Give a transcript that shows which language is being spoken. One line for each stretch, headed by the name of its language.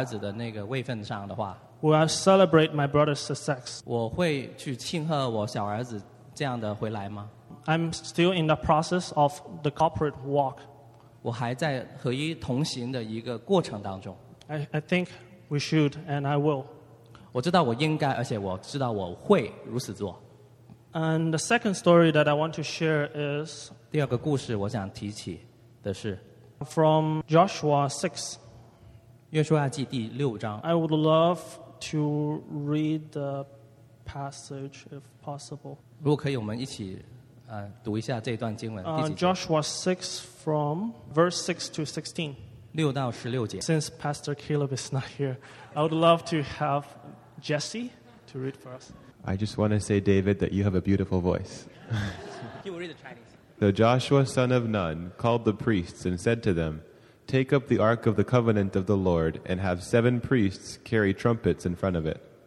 Chinese: 我在想，如果我站立在大儿子的那个位份上的话。
English: Will I celebrate my brother's success?
Chinese: 我会去庆贺我小儿子这样的回来吗?
English: I'm still in the process of the corporate walk.
Chinese: 我还在合一同行的一个过程当中。
English: I think we should, and I will.
Chinese: 我知道我应该，而且我知道我会如此做。
English: And the second story that I want to share is
Chinese: 第二个故事我想提起的是
English: from Joshua 6.
Chinese: 约书亚记第六章。
English: I would love to read the passage, if possible.
Chinese: 如果可以，我们一起 读一下这段经文。
English: Joshua 6 from verse 6 to 16.
Chinese: 6到16节。
English: Since Pastor Caleb is not here, I would love to have Jesse to read for us. I just want to say, David, that you have a beautiful voice. He will read the Chinese. So Joshua, son of Nun, called the priests and said to them, "Take up the Ark of the Covenant of the Lord and have seven priests carry trumpets in front of it."